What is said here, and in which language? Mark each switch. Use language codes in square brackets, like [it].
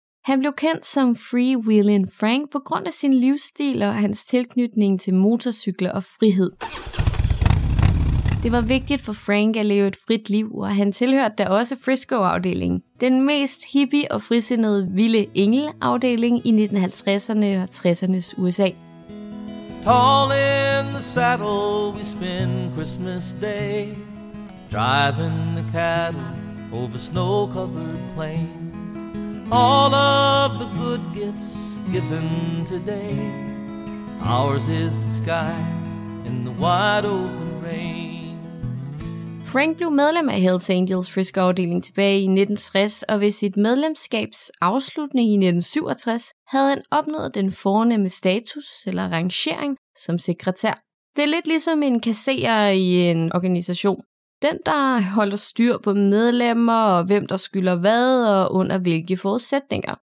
[da] Han blev kendt som Freewheelin Frank på grund af sin livsstil og hans tilknytning til motorcykler og frihed. Det var vigtigt for Frank at leve et frit liv, og han tilhørte da også Frisco-afdelingen, den mest hippie og frisindede vilde engel-afdeling i 1950'erne og 60'ernes USA. [en] Tall in the saddle, we spend Christmas Day, driving the cattle over snow-covered plains. All of the good gifts given today, ours is the sky and the wide open rain. [da] Frank blev medlem af Hells Angels Frisco-afdeling tilbage i 1960, og ved sit medlemskabs afslutning i 1967 havde han opnået den fornemme status eller rangering som sekretær. Det er lidt ligesom en kasserer i en organisation. Den, der holder styr på medlemmer og hvem, der skylder hvad og under hvilke forudsætninger.